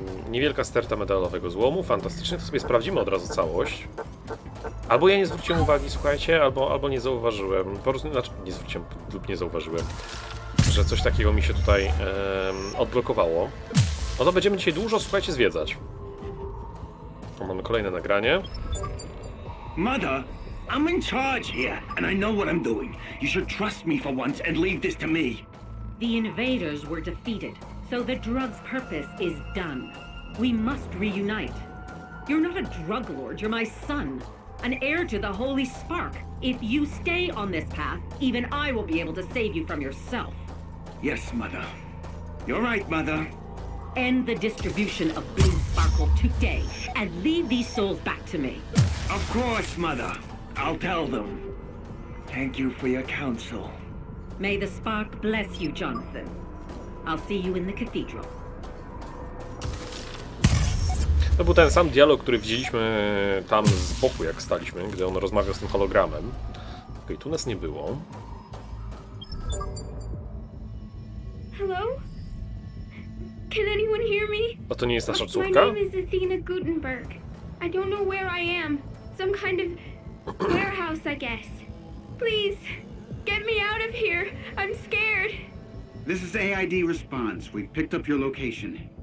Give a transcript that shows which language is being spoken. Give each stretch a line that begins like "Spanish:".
Polish: Niewielka sterta medalowego złomu. Fantastycznie. To sobie sprawdzimy od razu całość. Albo ja nie zwróciłem uwagi, słuchajcie, albo nie zauważyłem. Po prostu, znaczy, nie zwróciłem lub nie zauważyłem, że coś takiego mi się tutaj odblokowało. No to będziemy dzisiaj dużo, słuchajcie, zwiedzać. Mamy kolejne nagranie.
English: Mother, I'm in charge here and I know what I'm doing. You should trust me for once and leave this to me. The invaders were defeated. So the drug's purpose is done. We must reunite. You're not a drug lord, you're my son, an heir to the Holy Spark. If you stay on this path, even I will be able to save you from yourself. Yes, mother. You're right, mother. End the distribution of blue sparkle today and leave these souls back to me. Of course, mother. I'll tell them. Thank you for your counsel. May the spark bless you, Jonathan. I'll see you in the cathedral.
Polish: To był ten sam dialog, który widzieliśmy tam z boku, jak staliśmy, gdy on rozmawiał z tym hologramem. Okej, tu nas nie było.
English: Hello? Can anyone hear me?
Polish: A to nie jest nasza córka?
English: My name is Athena Gutenberg. I don't know where I am. Some kind of warehouse, I guess. Please, get me out of here. I'm scared. This is AID response. We've picked up your location.